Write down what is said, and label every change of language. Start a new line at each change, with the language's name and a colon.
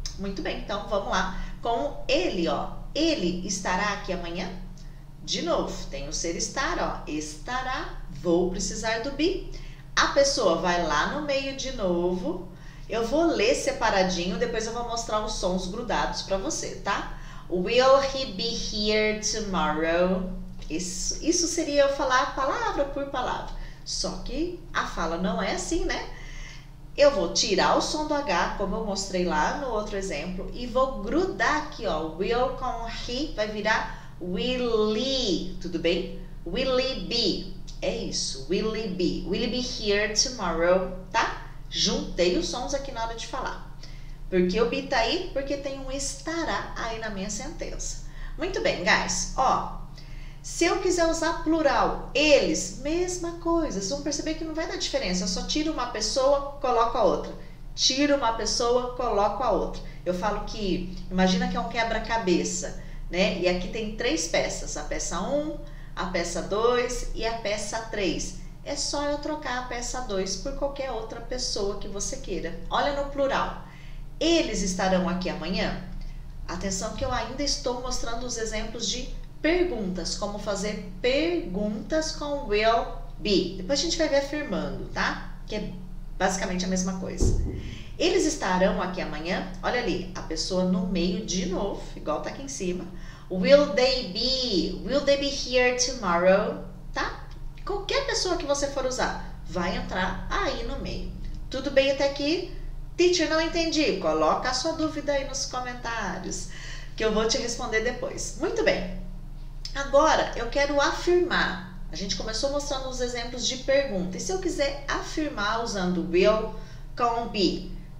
Portuguese: Muito bem, então vamos lá. Com ele, ó. Ele estará aqui amanhã? De novo, tem o ser estar, ó. Estará, vou precisar do be. A pessoa vai lá no meio de novo. Eu vou ler separadinho, depois eu vou mostrar os sons grudados para você, tá?
English: Will he be here tomorrow?
Portuguese: Isso seria eu falar palavra por palavra. Só que a fala não é assim, né? Eu vou tirar o som do H, como eu mostrei lá no outro exemplo, e vou grudar aqui, ó. Will com he vai virar will he, tudo bem?
English: Will he be?
Portuguese: É isso.
English: Will he be here tomorrow?
Portuguese: Tá? Juntei os sons aqui na hora de falar. Por que o be tá aí? Porque tem um estará aí na minha sentença. Muito bem, guys. Ó. Se eu quiser usar plural, eles, mesma coisa. Vocês vão perceber que não vai dar diferença. Eu só tiro uma pessoa, coloco a outra. Tiro uma pessoa, coloco a outra. Eu falo que, imagina que é um quebra-cabeça, né? E aqui tem três peças: a peça 1, a peça 2 e a peça 3. É só eu trocar a peça 2 por qualquer outra pessoa que você queira. Olha no plural. Eles estarão aqui amanhã? Atenção que eu ainda estou mostrando os exemplos de perguntas, como fazer perguntas com will be. Depois a gente vai ver afirmando, tá? Que é basicamente a mesma coisa. Eles estarão aqui amanhã? Olha ali, a pessoa no meio de novo, igual tá aqui em cima.
English: Will they be here tomorrow?
Portuguese: Tá? Qualquer pessoa que você for usar vai entrar aí no meio. Tudo bem até aqui? Teacher, não entendi. Coloca a sua dúvida aí nos comentários, que eu vou te responder depois. Muito bem. Agora eu quero afirmar. A gente começou mostrando os exemplos de pergunta. E se eu quiser afirmar usando will com be?